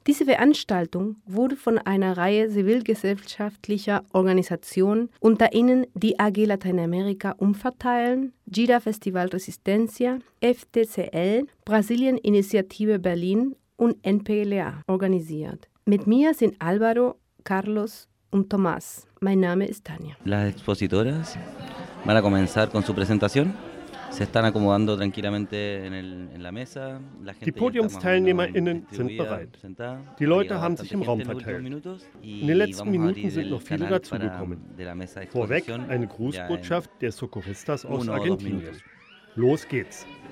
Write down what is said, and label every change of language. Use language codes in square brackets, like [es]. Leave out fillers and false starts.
[de] Diese Veranstaltung wurde von einer Reihe zivilgesellschaftlicher Organisationen, unter ihnen die AG Lateinamerika umverteilen, GIDA Festival Resistencia, FDCL, Brasilien Initiative Berlin und NPLA organisiert. Mit mir sind Álvaro, Carlos und Tomás. Mein Name ist Tania. [es] Las expositoras van a comenzar con su presentación. [de] Die PodiumsteilnehmerInnen sind bereit. Die Leute haben sich im Raum verteilt. In den letzten Minuten sind noch viele dazugekommen. Vorweg eine Grußbotschaft der Socorristas aus Argentinien. Los geht's.